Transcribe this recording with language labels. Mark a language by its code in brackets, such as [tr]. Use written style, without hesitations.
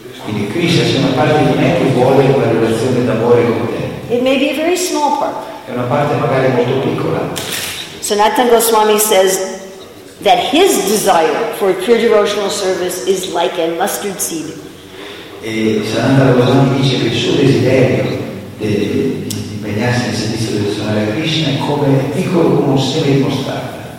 [it] Quindi Krishna, c'è una parte di me che vuole una relazione d'amore con te. [en] It may be a very small part. [it] È una parte magari molto piccola. [en] Sanatana Goswami says that his desire for pure devotional service is like a mustard seed. [it] E Sanatana Goswami dice che il suo desiderio di impegnarsi nel servizio devozionale a Krishna è come piccolo come un seme di mostarda.